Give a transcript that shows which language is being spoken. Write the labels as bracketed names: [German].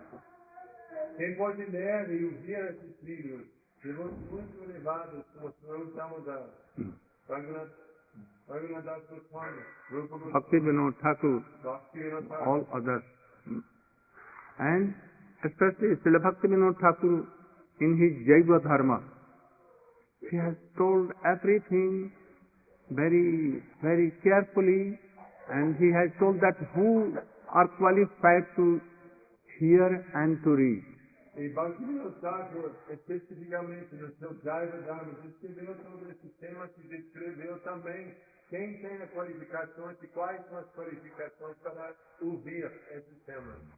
[Portuguese] Quem pode ler e ouvir esses livros, devotos muito elevados, como Sautnamudar, Raghunath Goswami, Rupa Goswami, [English] Bhaktivinoda Thakur, all others. And especially Srila Bhaktivinoda Thakur, in his Jaiva Dharma, he has told everything very, very carefully, and he has told that who are qualified to hear and to read. [Portuguese] E Bhaktivinoda Thakur, especificamente no seu Jaiva Dharma, escreveu sobre esse tema, se descreveu também quem tem as qualificações e quais são as qualificações para ouvir esse tema.